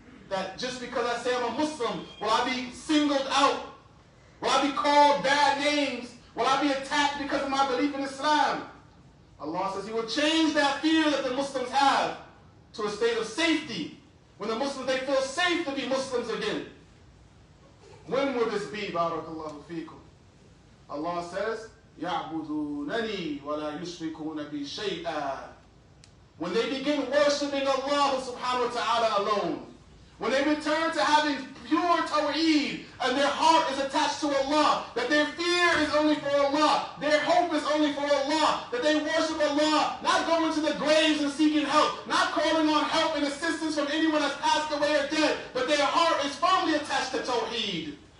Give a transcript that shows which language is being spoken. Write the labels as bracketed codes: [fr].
[en] That just because I say I'm a Muslim, will I be singled out? Will I be called bad names? Will I be attacked because of my belief in Islam? Allah says he will change that fear that the Muslims have to a state of safety. When the Muslims, they feel safe to be Muslims again. When will this be, barakallahu feekum? Allah says, [ar] يَعْبُدُونَنِي وَلَا يُشْرِكُونَ بِي شَيْئًا. [en] When they begin worshipping Allah subhanahu wa ta'ala alone, when they return to having pure tawheed and their heart is attached to Allah, that their fear is only for Allah, their hope is only for Allah, that they worship Allah, not going to the graves and seeking help, not calling on help and assistance from anyone that's passed away or dead, but their heart is firmly attached to tawheed.